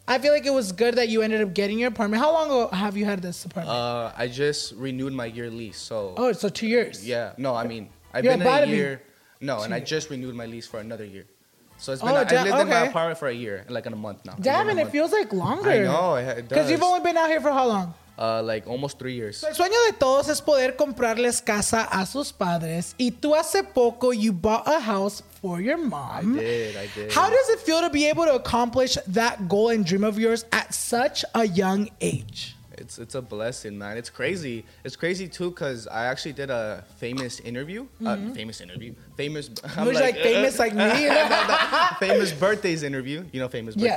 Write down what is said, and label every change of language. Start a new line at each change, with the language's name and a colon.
English: I feel like it was good that you ended up getting your apartment. How long ago have you had this apartment? I just renewed my year lease. So 2 years. Yeah. No, I mean, I just renewed my lease for another year. So it's been, I lived in my apartment for a year, like in a month now. Damn, and it feels like longer. I know, it does. Because you've only been out here for how long? Like almost 3 years.
Spanish: El sueño de todos es poder comprarles casa a sus padres. Y tú hace poco,
English: you bought a house for your mom. I did. How does it feel to be able to accomplish that goal and dream of yours at such a young age? It's a blessing, man. It's crazy. It's crazy too, because I actually did a famous interview. Mm-hmm. Famous. Famous birthdays interview. You know, famous birthdays.